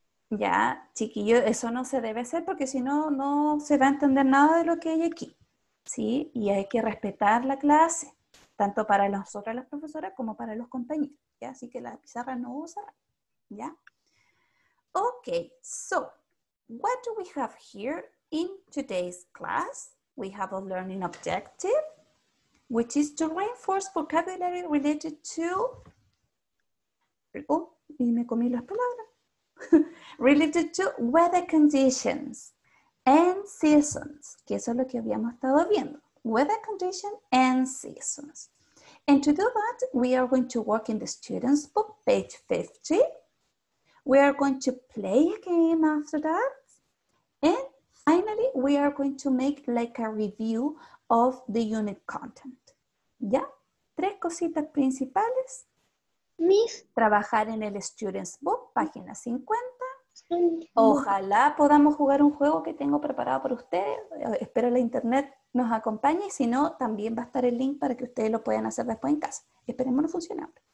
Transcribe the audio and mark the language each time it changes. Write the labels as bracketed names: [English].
[Spanish] Ya, chiquillo, eso no se debe hacer porque si no, no se va a entender nada de lo que hay aquí. ¿Sí? Y hay que respetar la clase, tanto para nosotras las profesoras como para los compañeros. ¿Ya? Así que la pizarra no usa. ¿Ya? [English] Ok, so, what do we have here in today's class? We have a learning objective, which is to reinforce vocabulary related to, oh, [Spanish] y me comí las palabras, [English] related to weather conditions. and seasons, [Spanish] que eso es lo que habíamos estado viendo. [English] Weather condition and seasons. And to do that, we are going to work in the student's book, page 50. We are going to play a game after that. And finally, we are going to make like a review of the unit content. [Spanish] ¿Ya? Tres cositas principales. Miss. Trabajar en el student's book, página 50. Ojalá podamos jugar un juego que tengo preparado para ustedes. Espero la internet nos acompañe. Si no, también va a estar el link para que ustedes lo puedan hacer después en casa. Esperemos no funcionar.